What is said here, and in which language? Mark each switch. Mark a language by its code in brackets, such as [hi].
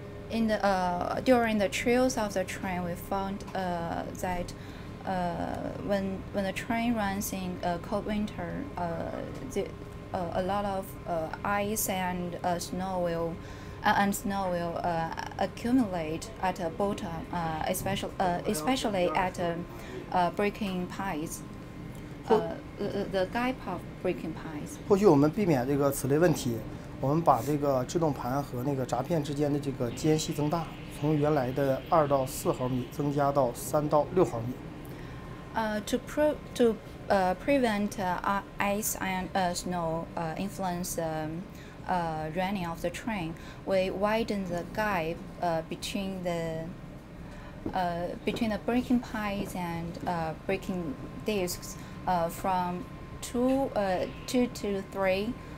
[en] During the trails of the train, we found that when the train runs in cold winter, a lot of ice and snow will accumulate at the bottom, especially at the braking pipes, the gap of braking pipes. [zh] 或许我们避免这个此类问题。我们把这个制动盘和那个闸片之间的这个间隙增大，从原来的2到4毫米增加到3到6毫米。 [en] To prevent ice and snow influence running of the train, we widen the gap between the braking pipes and braking discs from 2 to 3.